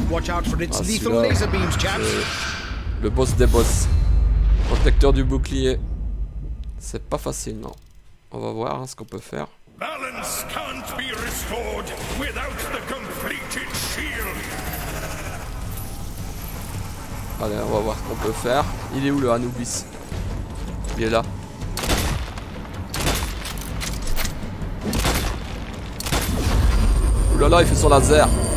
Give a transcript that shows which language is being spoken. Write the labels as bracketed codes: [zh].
[en] Watch out for its lethal laser beams, chaps. [fr] Le boss des boss. Protecteur du bouclier. C'est pas facile, non. On va voir ce qu'on peut faire. [en] Balance can't be restored without the completed shield. [fr] Allez, on va voir ce qu'on peut faire. Il est où le Anubis? Il est là. Oulala, il fait son laser.